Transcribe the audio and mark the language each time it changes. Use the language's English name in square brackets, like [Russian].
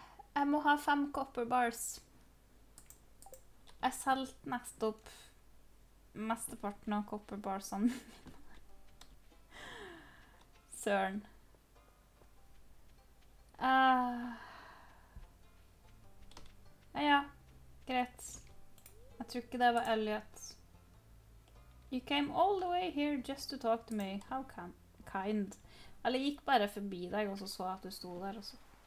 [Norwegian] Jeg må ha 5 copper bars. Jeg selgte nettopp mesteparten av copper barsene. Søren. Ja, greit. Jeg tror ikke det var Elliot. [English] You came all the way here just to talk to me. How kind. [Norwegian] Eller gikk bare forbi deg og så at du sto der og så.